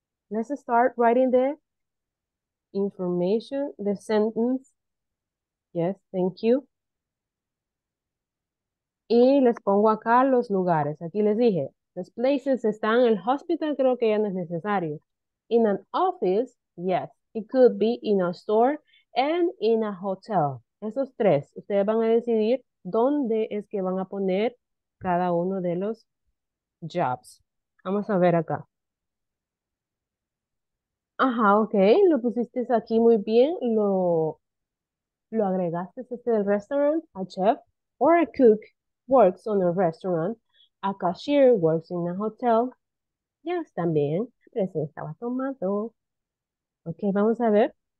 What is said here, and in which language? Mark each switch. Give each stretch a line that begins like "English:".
English: Let's start writing the information, the sentence. Yes, thank you.
Spanish: Y les pongo acá los lugares. Aquí les dije, los places están, el hospital creo que ya no es necesario.
English: In an office, yes, it could be in a store and in a hotel.
Spanish: Esos tres, ustedes van a decidir dónde es que van a poner cada uno de los jobs. Vamos a ver acá. Ajá, ok, lo pusiste aquí muy bien, lo agregaste desde el restaurant,
English: a chef, or a cook works on a restaurant, a cashier works in a hotel, yes,
Spanish: también, pero se estaba tomando. Ok, vamos a ver.